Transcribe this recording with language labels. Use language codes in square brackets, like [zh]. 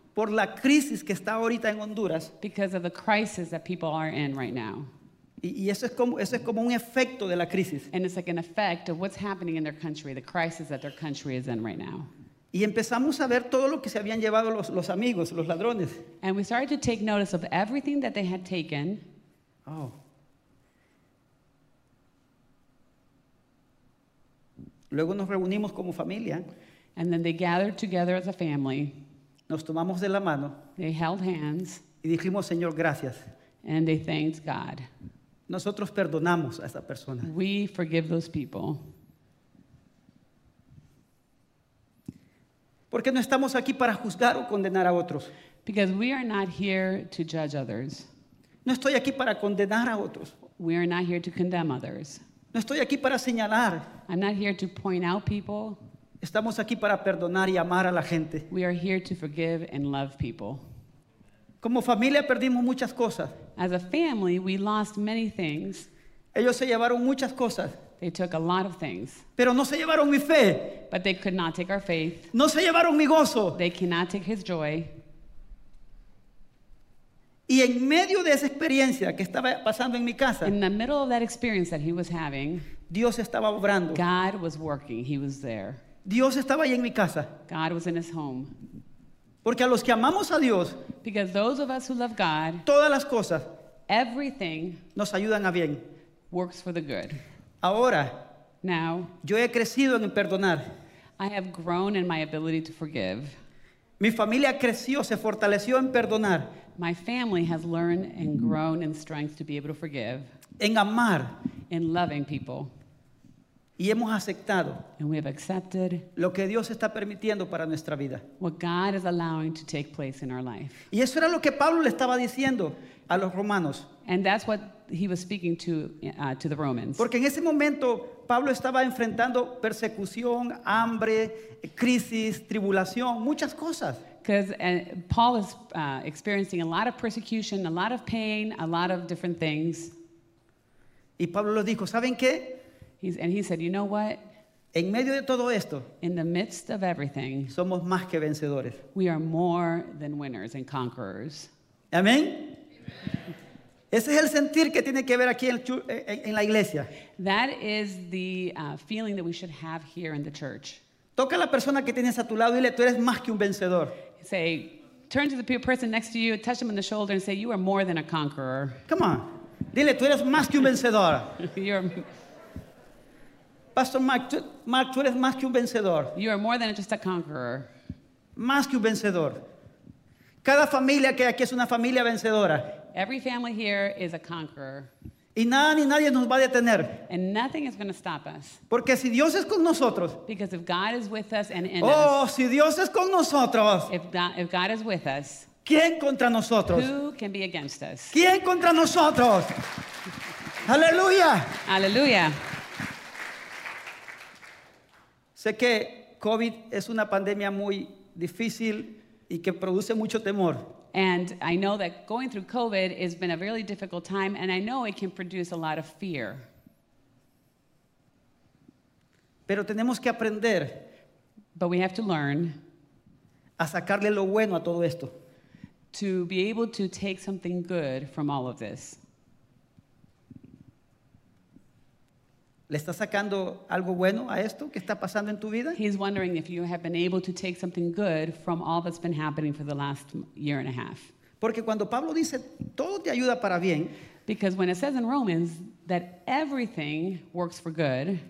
[es] Por la crisis que está ahorita en Honduras. [en] Because of the crisis that people are in right now. [es] Y eso es como un efecto de la crisis. [en] And it's like an effect of what's happening in their country, the crisis that their country is in right now. [es] Y empezamos a ver todo lo que se habían llevado los amigos, los ladrones. [en] And we started to take notice of everything that they had taken. Oh. [es] Luego nos reunimos como familia. [en] And then they gathered together as a family. [es] Nos tomamos de la mano. [en] They held hands. [es] Y dijimos, Señor, gracias. [en] And they thanked God. [es] Nosotros perdonamos a esa persona. [en] We forgive those people. [es] Porque no estamos aquí para juzgar o condenar a otros. [en] Because we are not here to judge others. [es] No estoy aquí para condenar a otros. [en] We are not here to condemn others. [es] No estoy aquí para señalar. [en] I'm not here to point out people. [es] Estamos aquí para perdonar y amar a la gente. [en] We are here to forgive and love people. [es] Como familia perdimos muchas cosas. [en] As a family, we lost many things. [es] Ellos se llevaron muchas cosas. [en] They took a lot of things. [es] Pero no se llevaron mi fe. [en] But they could not take our faith. [es] No se llevaron mi gozo. [en] They cannot take his joy. [es] Y en medio de esa experiencia que estaba pasando en mi casa, [en] in the middle of that experience that he was having, [es] Dios estaba obrando. [en] God was working. He was there. [es] Dios estaba ahí en mi casa. [en] God was in his home. [es] Porque a los que amamos a Dios, [en] because those of us who love God, [es] todas las cosas, [en] everything, [es] nos ayudan a bien. [en] Works for the good. [es] Ahora, [en] now, [es] yo he crecido en perdonar. [en] I have grown in my ability to forgive. [es] Mi familia creció, se fortaleció en perdonar. [en] My family has learned and grown in strength to be able to forgive. [es] En amar. [en] In loving people. [es] Y hemos aceptado. [en] And we have accepted. [es] Lo que Dios está permitiendo para nuestra vida. [en] What God is allowing to take place in our life. [es] Y eso era lo que Pablo le estaba diciendo a los romanos. [en] And that's what he was speaking to the Romans. [es] Porque en ese momento Pablo estaba enfrentando persecución, hambre, crisis, tribulación, muchas cosas. [en] Because Paul is experiencing a lot of persecution, a lot of pain, a lot of different things. [es] Y Pablo lo dijo, ¿saben qué? [en] He said, you know what? [es] En medio de todo esto, [en] in the midst of everything, [es] somos más que vencedores. [en] We are more than winners and conquerors. [es] Amén. Ese es el sentir que tiene que ver aquí en la iglesia. [en] That is the feeling that we should have here in the church. [es] Toca a la persona que tienes a tu lado y dile, tú eres más que un vencedor. [en] Say, turn to the person next to you, touch them on the shoulder and say, you are more than a conqueror. Come on. [es] Dile, tú eres más que un vencedor. [en] You're... [es] Pastor Mark, tú eres más que un vencedor. [en] You are more than just a conqueror. [es] Más que un vencedor. Cada familia que aquí es una familia vencedora. [en] Every family here is a conqueror. [es] Y nada ni nadie nos va a detener. [en] And nothing is going to stop us. [es] Porque si Dios es con nosotros. [en] Because if God is with us and in oh, us. [es] Oh, si Dios es con nosotros. [en] If God is with us. [es] ¿Quién contra nosotros? Who can be against us? ¿Quién contra nosotros? Aleluya. Aleluya. Sé que COVID es una pandemia muy difícil y que produce mucho temor. [en] And I know that going through COVID has been a really difficult time, and I know it can produce a lot of fear. [es] Pero tenemos que aprender. [en] But we have to learn. [es] A sacarle lo bueno a todo esto. [en] To be able to take something good from all of this. [es] ¿Le estás sacando algo bueno a esto que está pasando en tu vida? [en] He's wondering if you have been able to take something good from all that's been happening for the last year and a half. [es] Porque cuando Pablo dice, todo te ayuda para bien. [en] Because when it says in Romans that everything works for good.